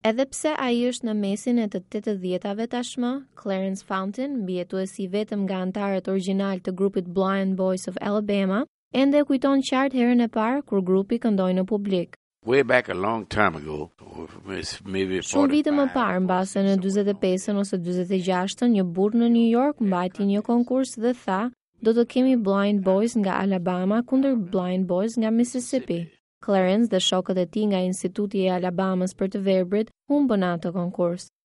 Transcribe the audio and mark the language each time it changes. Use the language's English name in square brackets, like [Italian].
[Albanian] Edhe pse ai është në mesin e të 80-ave tashmë, Clarence Fountain, mbijetuesi vetëm nga antarët origjinal të grupit Blind Boys of Alabama, ende kujton qartë herën e parë kur grupi këndoi në publik. [English] Way back a long time ago, maybe 45. [Albanian] Shumë vite më parë, mbase në 45-ën ose 46-ën, një burr në New York mbajti një konkurs dhe tha, do të kemi Blind Boys nga Alabama kundër Blind Boys nga Mississippi. Clarence dhe shokët e ti nga Instituti e Alabamës për të verbrit humbën atë konkurs.